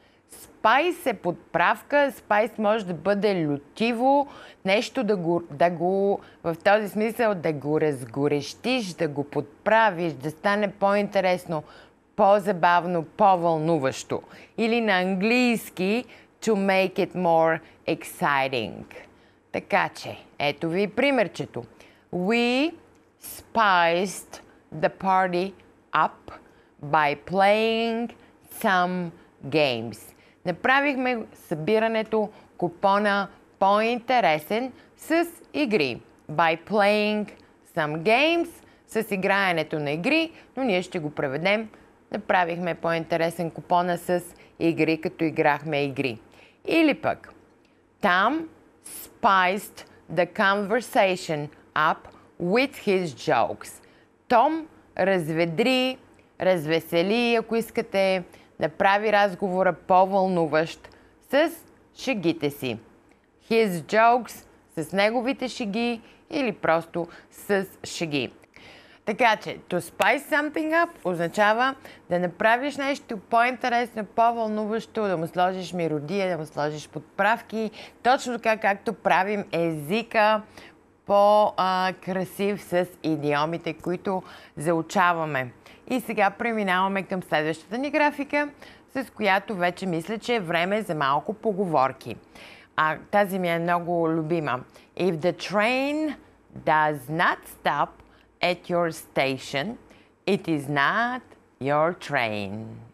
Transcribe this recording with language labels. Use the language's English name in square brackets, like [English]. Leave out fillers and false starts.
[Bulgarian] Spice е подправка, spice може да бъде лютиво, нещо да го, да го, в този смисъл, да го разгорещиш, да го подправиш, да стане по-интересно, по-забавно, по-вълнуващо. Или на английски, [English] to make it more exciting. [Bulgarian] Така че, ето ви примерчето. [English] We spiced the party up by playing some games. [Bulgarian] Направихме събирането купона по-интересен с игри. [English] By playing some games, [Bulgarian] с играенето на игри, но ние ще го преведем. Направихме по-интересен купона с игри, като играхме игри. Или пък, [English] Tom spiced the conversation up with his jokes. [Bulgarian] Tom разведри, развесели, ако искате, направи разговора по-вълнуващ с шегите си. [English] His jokes, [Bulgarian] с неговите шеги или просто с шеги. Така че, [English] to spice something up [Bulgarian] означава да направиш нещо по-интересно, по-вълнуващо, да му сложиш миродия, да му сложиш подправки, точно така както правим езика по-красив с идиомите, които заучаваме. И сега преминаваме към следващата ни графика, с която вече мисля, че е време за малко поговорки. А тази ми е много любима. [English] If the train does not stop at your station, it is not your train.